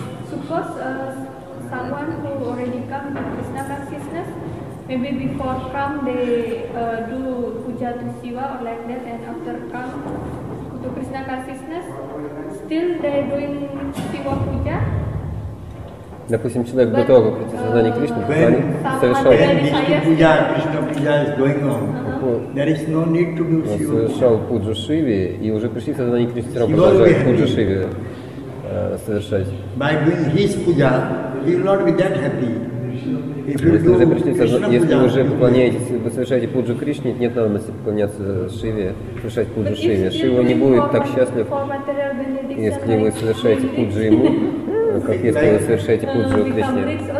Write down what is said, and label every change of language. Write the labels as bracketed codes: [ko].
[en] suppose someone who already come to Krishna consciousness, maybe before come they do puja to Shiva or like that, and after come, Krishna consciousness, still they're doing Shiva Puja? [ru] Допустим, человек готов к сознанию Кришны, совершал Ништи Пуджа, Кришна Пуджа [en] is going on. There is no need to do Shiva. [ru] Совершал Пуджу Шиви и уже пришли в сознание Кришны, продолжает Пуджу Шиви совершать. [en] By doing his Puja, he will not be that happy. [ru] Если вы уже пришли, если вы уже поклоняетесь, вы совершаете пуджу Кришне, нет надобности поклоняться Шиве, совершать пуджу Шиве. Шива не будет так счастлив, если вы совершаете пуджу ему, как если вы совершаете пуджу Кришне.